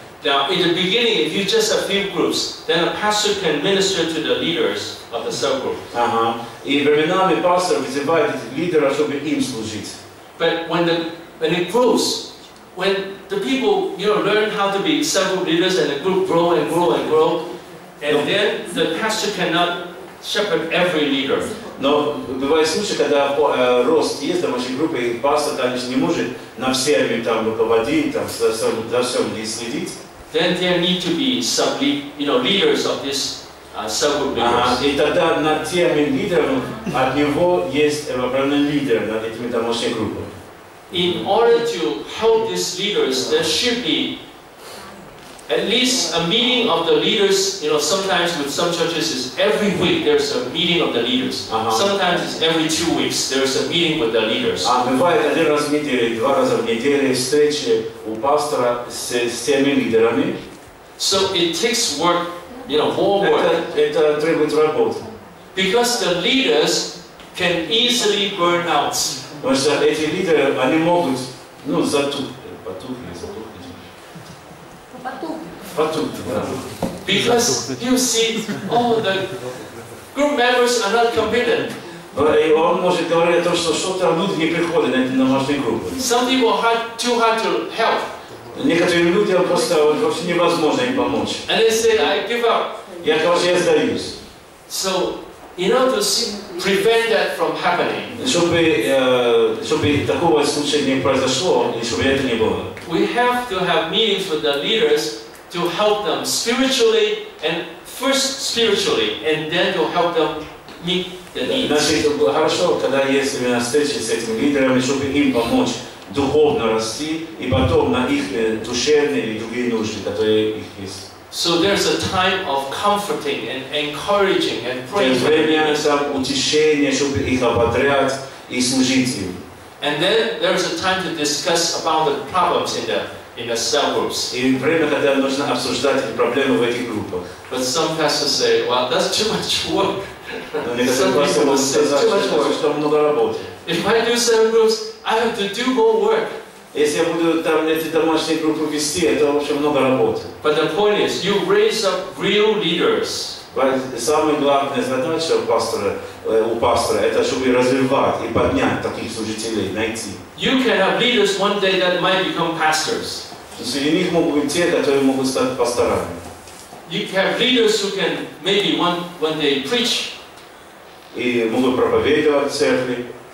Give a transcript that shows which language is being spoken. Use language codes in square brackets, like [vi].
[en] Now, in the beginning, if you just have few groups, then a pastor can minister to the leaders of the cell group. [ru] Uh-huh. И временами пастор вызывает лидера, чтобы им служить. [en] But when it grows, when the people, you know, learn how to be cell group leaders and the group grow and grow and grow, and no. Then the pastor cannot shepherd every leader. [ru] Но бывает случай, когда рост есть в домашней группе, и пастор, конечно, не может на всеми там руководить, там, за всем не следить. [en] Then there need to be some leaders of this cell group leaders. [ru] И тогда над тем лидером от него есть определенный лидер над этими домашними группами. [en] In order to help these leaders, there should be at least a meeting of the leaders. You know, sometimes with some churches is every week there's a meeting of the leaders. Uh-huh. Sometimes it's every 2 weeks there's a meeting with the leaders. [ru] Бывает один раз в неделю, два раза в неделю встречи у пастора с теми лидерами. [en] So it takes work, you know, more work. [ru] Это требует работы. [en] Because the leaders can easily burn out. [ru] Потому что эти лидеры, они могут, ну, потухнуть. [en] Because you see, all the group members are not competent. [ru] И он может говорить о том, что что-то люди не приходят на эти домашние группы. [en] Some people are too hard to help. [ru] Некоторые люди просто вообще невозможно им помочь. [en] And they say, I give up. [ru] Я говорю, я сдаюсь. [en] So, in order to prevent that from happening, [ru] чтобы такого случая не произошло и чтобы это не было, [en] we have to have meetings with the leaders to help them spiritually, and first spiritually, and then to help them meet the needs. [ru] Хорошо, когда есть именно встречи с этими лидерами, чтобы им помочь духовно расти и потом на их душевные и другие нужды, которые их есть. [en] So there's a time of comforting and encouraging and praying. [ru] Утешение, чтобы их ободрять и служить им. [en] And then there's a time to discuss about the problems in the cell groups. [ru] И время, когда нужно обсуждать проблемы в этих группах. [en] But some pastors say, well, that's too much work. [ru] Что много работы. [en] If I do cell groups, I have to do more work. [ru] Если я буду там эти домашние группы вести, это вообще много работы. [en] But the point is, you raise up real leaders. [ru] Самое главное задача у пастора это чтобы развивать и поднять таких служителей, найти. [en] You can have leaders one day that might become pastors. [ru] Среди них могут быть те, которые могут стать пасторами. [en] You can have leaders who can maybe one day preach. [ru] И могут проповедовать в церкви.